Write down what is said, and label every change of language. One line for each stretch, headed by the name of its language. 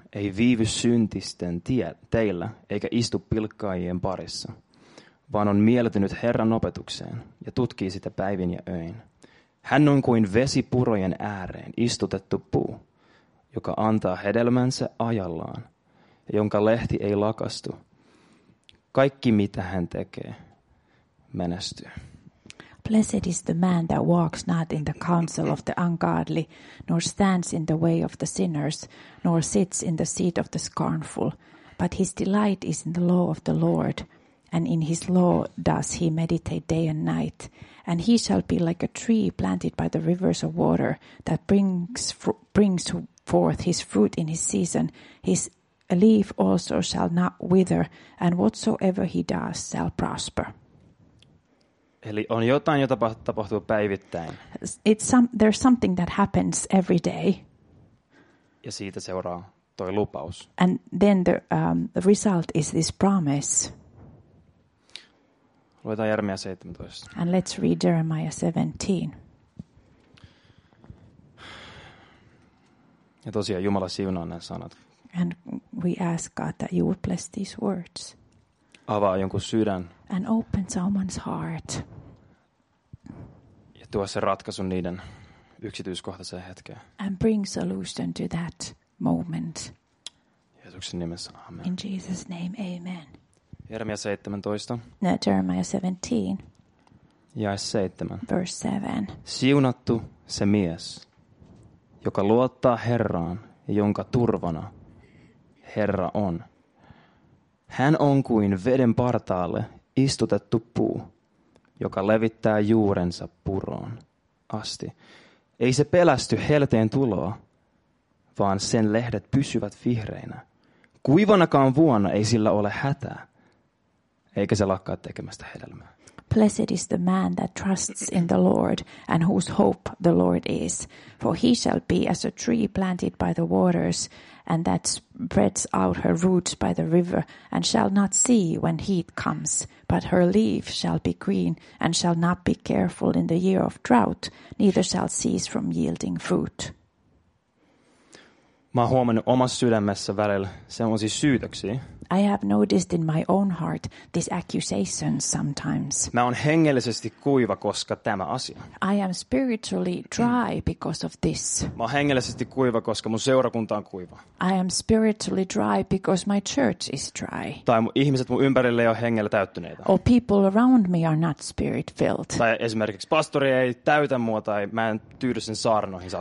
Finnish: Ei viivy syntisten teillä, eikä istu pilkkaajien parissa, vaan on mieltynyt Herran opetukseen ja tutkii sitä päivin ja öin. Hän on kuin vesipurojen ääreen istutettu puu, joka antaa hedelmänsä ajallaan, ja jonka lehti ei lakastu. Kaikki, mitä hän tekee, menestyy.
English: Blessed is the man that walks not in the counsel of the ungodly, nor stands in the way of the sinners, nor sits in the seat of the scornful. But his delight is in the law of the Lord, and in his law does he meditate day and night. And he shall be like a tree planted by the rivers of water, that brings forth his fruit in his season, his a leaf also shall not wither, and whatsoever he does shall prosper.
Finnish: Eli on jotain, jota tapahtuu päivittäin.
English: There's something that happens every day.
Finnish: Ja siitä seuraa toi lupaus.
English: And then the result is this promise.
Finnish: Luetaan Jeremia 17.
English: And let's read Jeremiah 17.
Finnish: Ja tosiaan Jumala siunaa nämä sanat.
English: And we ask God that you would bless these words.
Finnish: Avaa jonkun sydän.
English: And open someone's heart.
Finnish: Ja tuo se ratkaisu niiden yksityiskohtaiseen hetkeen.
English: And bring solution to that moment.
Finnish: Jeesuksen nimessä, amen.
English: In Jesus' name, amen.
Finnish: Jeremia 17.
English: No, Jeremiah 17.
Finnish: Jae 7.
English: Verse 7.
Finnish: Siunattu se mies, joka luottaa Herraan ja jonka turvana Herra on. Hän on kuin veden partaalle istutettu puu, joka levittää juurensa puroon asti. Ei se pelästy helteen tuloa, vaan sen lehdet pysyvät vihreinä. Kuivanakaan vuonna ei sillä ole hätää, eikä se lakkaa tekemästä hedelmää.
English: Blessed is the man that trusts in the Lord and whose hope the Lord is. For he shall be as a tree planted by the waters and that spreads out her roots by the river and shall not see when heat comes. But her leaf shall be green and shall not be careful in the year of drought, neither shall cease from yielding fruit.
Finnish: Mä oon huomannut omassa sydämessä välillä semmoisia syytöksiä.
English: I have noticed in my own heart this accusation sometimes.
Finnish: Mä oon hengellisesti kuiva, koska tämä asia.
English: I am spiritually dry because of this.
Finnish: Mä oon hengellisesti kuiva, koska mun seurakunta on kuiva.
English: I am spiritually dry because my church is dry.
Finnish: Tai ihmiset mun ympärille ei ole hengellä täyttyneitä.
English: Or people around me are not spirit filled.
Finnish: Tai esimerkiksi pastori ei täytä mua tai mä en tyydy sen saarnoihin.